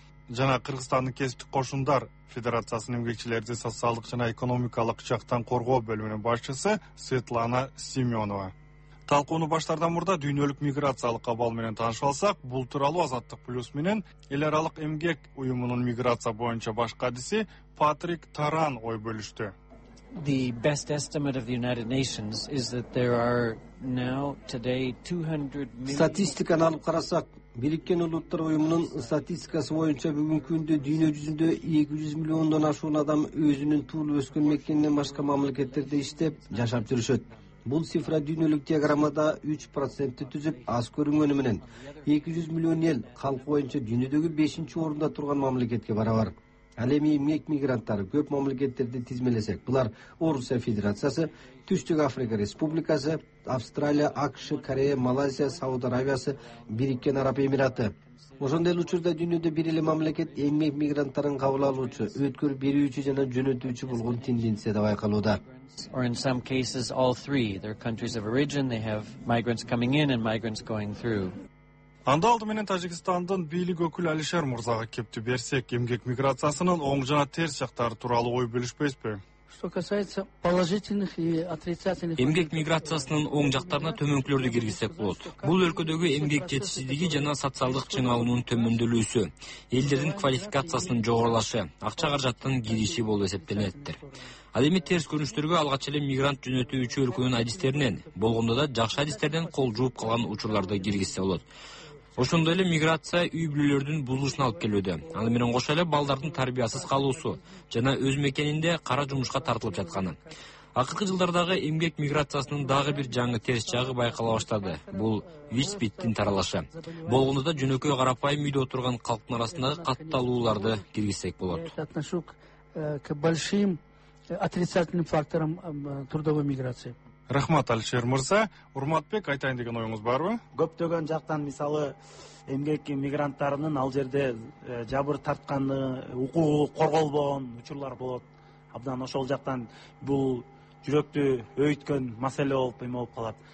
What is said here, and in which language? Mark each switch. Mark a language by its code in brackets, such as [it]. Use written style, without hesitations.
[ky] жана Кыргызстандын кесиптик кошундар федерациясынын эмгекчилерди социалдык жана экономикалык жактан коргоо бөлүмүнүн башчысы Светлана Семенова. Талкууну баштардан мурда дүйнөлүк миграциялык абал менен таанышып алсак, бул тууралуу Азаттык Плюс менен эл аралык эмгек уюмунун миграция боюнча баш кадиси Патрик Таран ой бөлүштү. [en] The best estimate of the United Nations is that there are now today 200 million. [ky] Статистиканы алып карасак, Бириккен улуттар уюмунун статистикасы боюнча бүгүнкү күндө дүйнө жүзүндө 200 миллиондон ашуун адам өзүнүн туулуп өскөн мекенинен башка мамлекеттерде иштеп жашап жүрүшөт. Бул цифра дүйнөлүк диаграммада 3% түзүп, аз көрүнгөнү менен 200 миллион эл калкы боюнча дүйнөдөгү 5-чи орунда турган мамлекетке барабар. Ал эми эмгек мигранттары көп мамлекеттерди тизмелесек, булар Орусия Федерациясы, Түштүк Африка Республикасы, Австралия, АКШ, Корея, Малайзия, Сауд Арабиясы, Бириккен Араб Эмираты. Ошондой эле учурда дүйнөдө бир эле мамлекет эмгек мигранттарын кабыл алуучу, өткөр берүүчү жана жөнөтүүчү болгон тенденция деп айкалууда. [en] Or in some cases all three, their countries of origin, they have migrants coming in and migrants going through. [ky] Анда алды менен Тажикстандын бийлик өкүлү Алишер Мурзага кепти берсек, эмгек миграциясынын оң жана терс жактары тууралуу ой бөлүшпөйсүзбү? [ru] Что касается положительных и отрицательных. [ky] Эмгек миграциясынын оң жактарына төмөнкүлөрдү киргизсек болот. Бул өлкөдөгү эмгек жетишсиздиги жана социалдык чыңалуунун төмөндөлүүсү, элдердин квалификациясынын жогорулашы, акча каражатынын кириши болуп эсептелинеттир. Ал эми терс көрүнүштөргө алгач эле мигрант жөнөтүүчү өлкөнүн адистеринен, болгондо да жакшы адистерден кол жууп калган учурларды киргизсе болот. Ошондой эле миграция үй бүлөлөрдүн бузулушуна алып келүүдө. Аны менен кошо эле балдардын тарбиясыз калуусу жана өз мекенинде кара жумушка тартылып жатканы. Акыркы жылдардагы эмгек миграциясынын дагы бир жаңы терс жагы байкала баштады. Бул виспиттин таралышы. Болгондо да жөнөкөй карапайым үйдө отурган калктын арасындагы катталууларды киргизсек болот. [ru] К большим отрицательным факторам трудовой миграции. [ky] Рахмат, Алишер Мырза. Урматбек, айтайын деген оюңуз барбы? Көптөгөн жактан мисалы эмгек мигранттарынын ал жерде жабыр тартканы, укугу корголбогон учурлар болот. Абдан ошол жактан бул жүрөктү өйүткөн маселе болуп эме болуп калат.